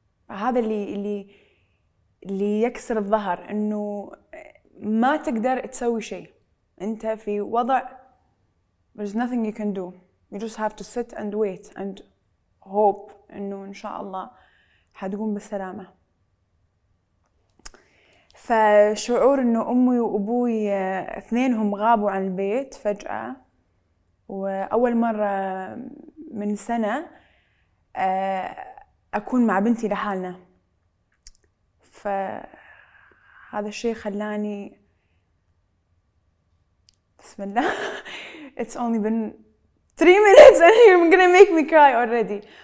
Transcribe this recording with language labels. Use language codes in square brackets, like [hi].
[ar] هذا اللي يكسر الظهر، إنه ما تقدر تسوي شيء. أنت في وضع [en] there's nothing you can do. You just have to sit and wait and hope [ar] إنه إن شاء الله حتقوم بالسلامة. فشعور إنه أمي وأبوي اثنينهم غابوا عن البيت فجأة، وأول مرة من سنة أكون مع بنتي لحالنا، فهذا الشيء خلاني بسم الله. [en] It's only been 3 minutes and you're gonna make me cry already.